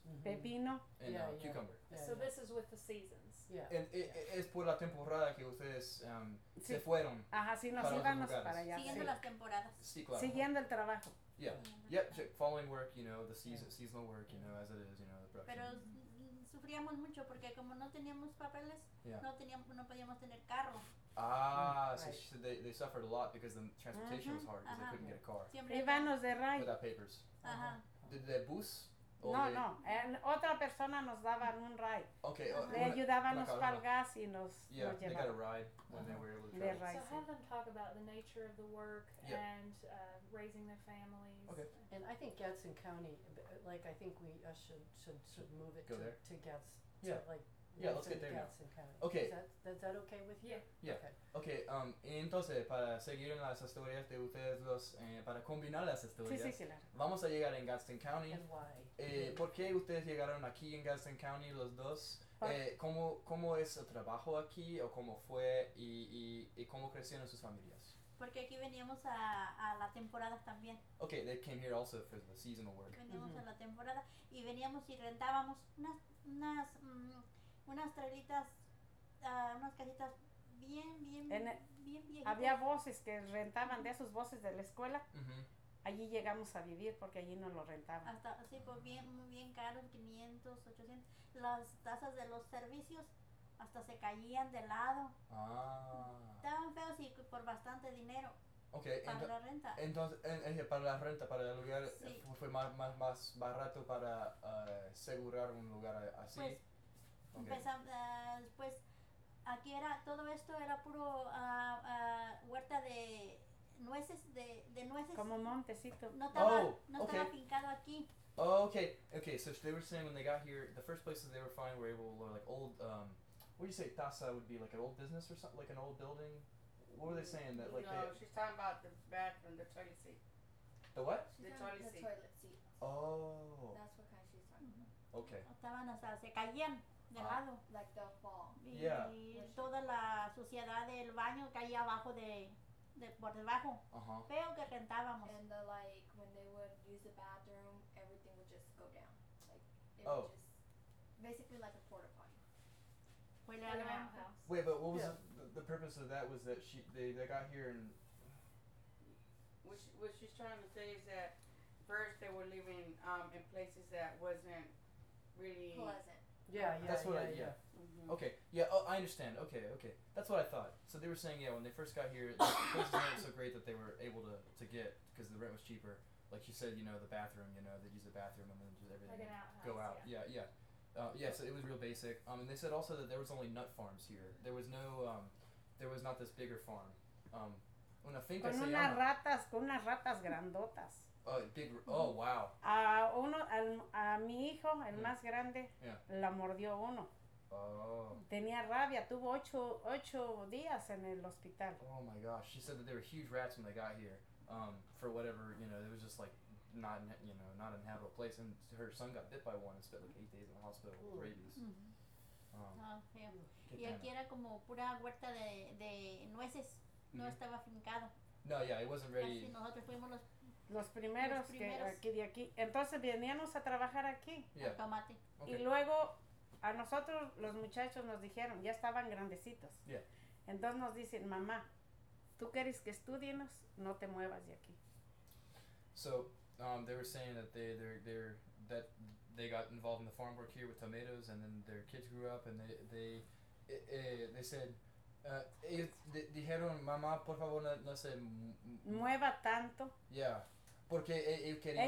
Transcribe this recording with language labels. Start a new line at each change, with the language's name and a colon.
Spanish: Mm-hmm. Pepino.
English: And yeah, cucumber. Yeah, so yeah. This is with the seasons. Yeah.
Spanish: And es por la temporada que ustedes se fueron. Ajá, sí, nos íbamos para allá. Siguiendo las temporadas. Sí, claro. Siguiendo el trabajo. Yeah.
English: Yep, yeah, following work, you know, the seasonal work, you know, as it is, you know, the production.
Spanish: Pero sufríamos mucho porque como no teníamos papeles, no podíamos tener carro. Ah,
English: right. So she said they suffered a lot because the transportation uh-huh. was hard because they couldn't get a car.
Spanish: Siempre íbamos de ride.
English: Without papers. Uh-huh. Did they bus?
Spanish: No,
English: they
Spanish: no. Otra persona nos daba un ride. Okay. Le ayudábamos para el gas y nos Yeah, nos
English: they
Spanish: llevaba.
English: Got a ride when uh-huh. they were able to travel. So have them talk about the nature of the work yep. and raising their families. Okay. And I think Gadsden County, like I think we should move it Go to there. To Gads. Yeah. To, like, Yeah, let's get there now. Okay. Is that okay with you? Yeah. Okay. Okay.
Spanish: Entonces, para seguir en las historias de ustedes dos, para combinar las historias, sí, claro. vamos a llegar en Gadsden County.
English: And why?
Spanish: ¿Por qué ustedes llegaron aquí en Gadsden County los dos? ¿Cómo es el trabajo aquí o cómo fue y cómo crecieron sus familias? Porque aquí veníamos a la temporada también.
English: Okay, they came here also for the seasonal work.
Spanish: Veníamos mm-hmm. a la temporada y veníamos y rentábamos unas trailitas, unas casitas bien viejitas. Había buses que rentaban de esos buses de la escuela. Uh-huh. Allí llegamos a vivir porque allí no lo rentaban. Hasta, sí, pues bien, muy bien caros, 500, 800. Las tazas de los servicios hasta se caían de lado. Ah. Estaban feos y por bastante dinero. Okay, para la renta. Entonces, para la renta, para el lugar, sí. fue más barato para asegurar un lugar así. Pues, Okay. Empezamos, pues aquí era todo esto era puro huerta de nueces como montecito no estaba fincado aquí.
English: Oh, okay, so they were saying when they got here the first places they were finding were able or like old what do you say taza would be like an old business or something like an old building, what were they saying that like no they, she's talking about the bathroom, the toilet seat, the what she's the toilet the seat. Toilet seat. Oh, that's what kind she's talking about. Okay,
Spanish: estaban hasta se caían de lado,
English: like the fall.
Spanish: Y yeah. toda la suciedad del baño caía abajo de por debajo. Uh-huh. Feo que rentábamos.
English: And the, like when they would use the bathroom, everything would just go down. Like it oh. would just basically like a porta potty. Like house. Wait, but what was yeah. the purpose of that was that they got here and what she's trying to say is that first they were living in places that wasn't really pleasant. Yeah, that's what yeah, yeah. Mm-hmm. Okay, yeah, oh, I understand. Okay. That's what I thought. So they were saying, yeah, when they first got here, the places weren't so great that they were able to get, because the rent was cheaper. Like you said, you know, the bathroom, you know, they'd use the bathroom and then just everything like an outhouse, go out. Yeah, yeah. Yeah, so it was real basic. And they said also that there was only nut farms here. There was no, there was not this bigger farm.
Spanish: Una finca con unas ratas, grandotas.
English: Oh, big, oh, wow.
Spanish: A uno, a mi hijo, el yeah. más grande, yeah. la mordió uno. Oh. Tenía rabia, tuvo ocho días en el hospital.
English: Oh, my gosh. She said that there were huge rats when they got here. For whatever, you know, it was just like not, you know, not an inhabitable place. And her son got bit by one and spent like 8 days in the hospital Ooh. With rabies. Mm-hmm. Oh, yeah.
Spanish: Qué y pena. Aquí era como pura huerta de nueces. Mm-hmm. No estaba fincado.
English: No, yeah, it wasn't ready.
Spanish: Casi nosotros fuimos los primeros que aquí de aquí. Entonces veníamos a trabajar aquí. Yeah. Tomate. Okay. Y luego a nosotros los muchachos nos dijeron, ya estaban grandecitos. Yeah. Entonces nos dicen, mamá, tú quieres que estudienos, no te muevas de aquí.
English: So, they were saying that they got involved in the farm work here with tomatoes and then their kids grew up and they said,
Spanish: dijeron, mamá, por favor, no se mueva tanto. Yeah. Porque ellos querían